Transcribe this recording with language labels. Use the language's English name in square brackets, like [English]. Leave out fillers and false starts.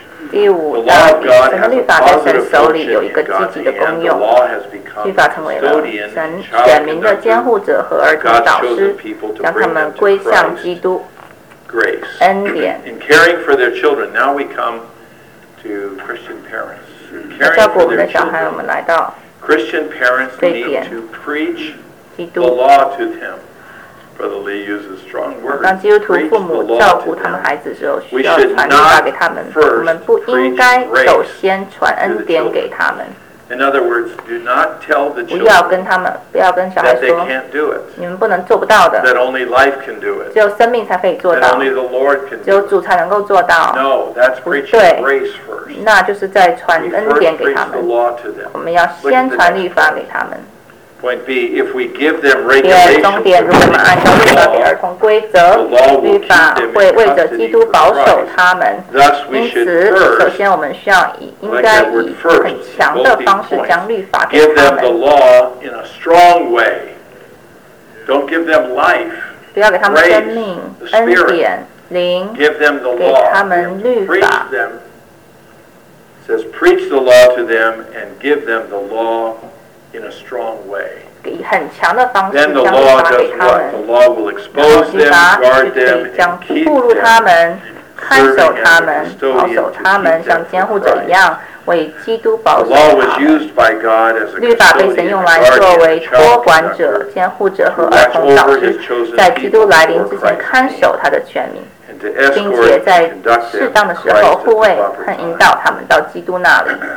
[Chinese] 第五到底，神律法在神手里有一个积极的功用。律法成为了神选民的监护者和儿童导师，将他们归向基督。恩典。 [English] In caring for their children, now we come to Christian parents. [Chinese] 在照顾我们的小孩，我们来到。 [English] Christian parents need to preach the law to them. Brother Lee uses strong words. [Chinese] 当基督徒父母照顾他们孩子的时候，需要传律法给他们。我们不应该首先传恩典给他们。 [English] In other words, do not tell the children [Chinese] 不要跟他们，不要跟小孩说 [English] that they can't do it, [Chinese] 你们不能做不到的 [English] that only life can do it, [Chinese] 只有生命才可以做到 [English] that only the Lord can do it, [Chinese] 只有主才能够做到 [English] No, that's preaching grace first. [Chinese] 那就是在传恩典给他们 [English] the law to them. [Chinese] 我们要先传律法给他们 [English] Point B, if we give them regulations [Chinese] 第二重点，如果我们按照律法给儿童规则 律法会为着基督保守他们因此首先我们需要以应该以很强的方式将律法给他们 [English] give them the law in a strong way don't give them life [Chinese] 不要给他们生命恩典灵 [English] give them the law [Chinese] 给他们律法 [English] says preach the law to them and give them the law in a strong way [Chinese] 以很强的方式 [English] then the law does what the law will expose them guard them and keep them [Chinese] 看守他们，保守他们，像监护者一样为基督保守他们。律法被神用来作为托管者、监护者和儿童导师，在基督来临之前看守他的权柄，并且在适当的时候护卫和引导他们到基督那里。